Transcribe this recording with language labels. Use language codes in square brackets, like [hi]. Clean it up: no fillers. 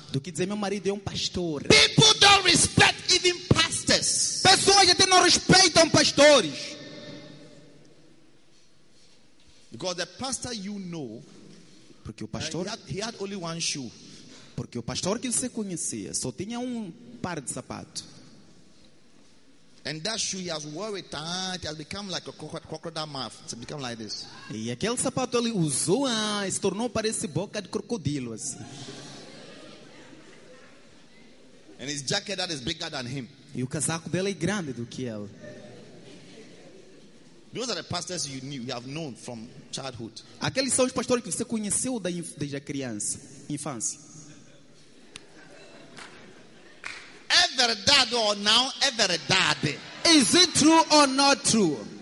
[pt] Do que dizer, meu marido é um pastor. [en] People don't respect even pastors. [pt] Pessoas até não respeitam pastores. [en] Because the pastor you know, [pt] porque o pastor, [en] he had only one shoe. [pt] Porque o pastor que você conhecia só tinha um par de sapato. [en] And that shoe he has worn it, it has become like a crocodile mouth. It's become like this. [pt] E aquele sapato ele usou, se tornou parece boca de crocodilo assim. [en] And his jacket that is bigger than him. [pt] E o casaco dele é grande do que ele. [en] Those are the pastors you knew, you have known from childhood. [pt] Aqueles são os pastores que você conheceu desde a criança, infância. É verdade ou não é verdade? [en] Is it true or not true?